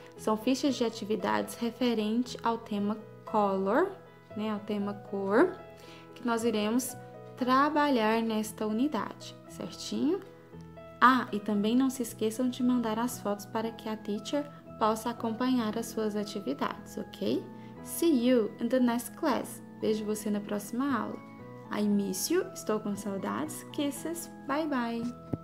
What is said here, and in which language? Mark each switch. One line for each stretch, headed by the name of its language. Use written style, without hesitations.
Portuguese: São fichas de atividades referente ao tema color, né, ao tema cor, que nós iremos trabalhar nesta unidade, certinho? Ah, e também não se esqueçam de mandar as fotos para que a teacher possa acompanhar as suas atividades, ok?
English: See you in the next class.
Portuguese: Vejo você na próxima aula.
English: I miss you.
Portuguese: Estou com saudades.
English: Kisses. Bye, bye.